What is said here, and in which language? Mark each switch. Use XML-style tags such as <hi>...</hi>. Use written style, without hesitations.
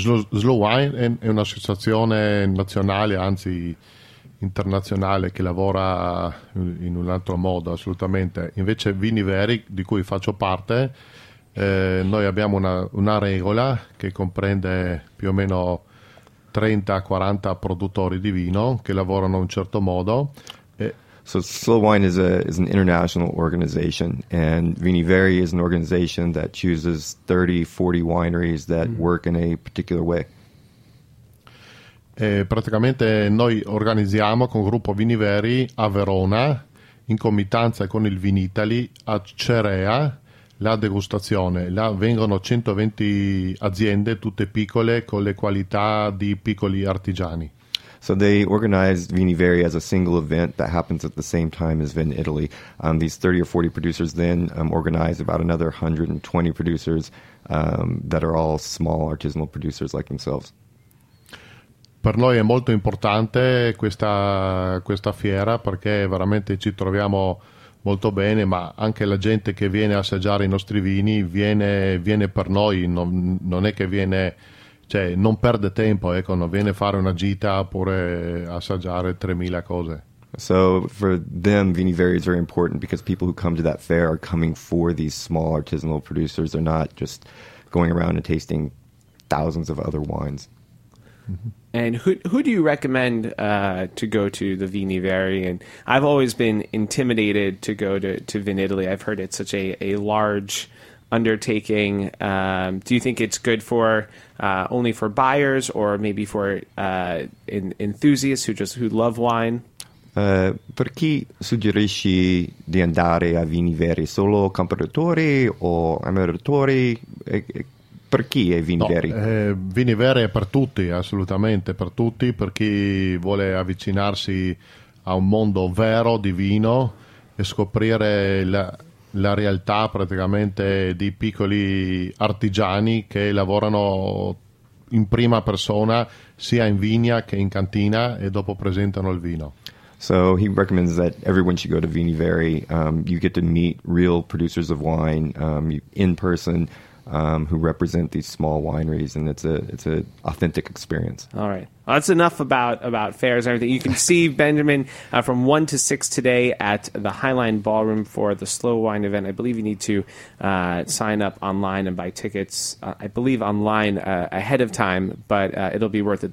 <it>Slow Wine è un'associazione nazionale, anzi internazionale, che lavora in un altro modo, assolutamente. Invece vini veri, di cui faccio parte, noi abbiamo una regola che comprende più o meno 30-40 produttori di vino che lavorano in un certo modo.</it> <en>So Slow Wine is an international organization, and Vini Veri is an organization that chooses 30-40 wineries that work in a particular way.</en> <it>Praticamente noi organizziamo con gruppo Vini Veri a Verona, in comitanza con il Vinitaly, a Cerea, la degustazione. Là vengono 120 aziende, tutte piccole, con le qualità di piccoli artigiani.</it> <en>So they organized Vini Veri as a single event that happens at the same time as Vin Italy. These 30 or 40 producers then organize about another 120 producers that are all small artisanal producers like themselves.</en> <it>Per noi è molto importante questa fiera, perché veramente ci troviamo molto bene, ma anche la gente che viene a assaggiare i nostri vini viene per noi, non è che viene cioè non perde tempo, ecco, non viene a fare una gita oppure assaggiare 3000 cose.</it> <en>So for them, vini veri is very important because people who come to that fair are coming for these small artisanal producers. They're not just going around and tasting thousands of other wines. Mm-hmm. And who do you recommend to go to the Vini Veri? And I've always been intimidated to go to Vin Italy. I've heard it's such a large undertaking. Do you think it's good for only for buyers or maybe for enthusiasts who love wine?</en> <it>Per chi suggerisci di andare a Vini Veri, solo compratori o amatori? Per chi è Vini Veri? Vini Veri è per tutti, assolutamente per tutti, per chi vuole avvicinarsi a un mondo vero di vino e scoprire la realtà praticamente di piccoli artigiani che lavorano in prima persona sia in vigna che in cantina e dopo presentano il vino.</it> <en>So he recommends that everyone should go to Vini Veri. You get to meet real producers of wine in person who represent these small wineries, and it's an authentic experience. All right. Well, that's enough about fairs and everything. You can see Benjamin from 1 to 6 today at the Highline Ballroom for the Slow Wine event. I believe you need to sign up online and buy tickets, I believe, online ahead of time, but it'll be worth it.</en>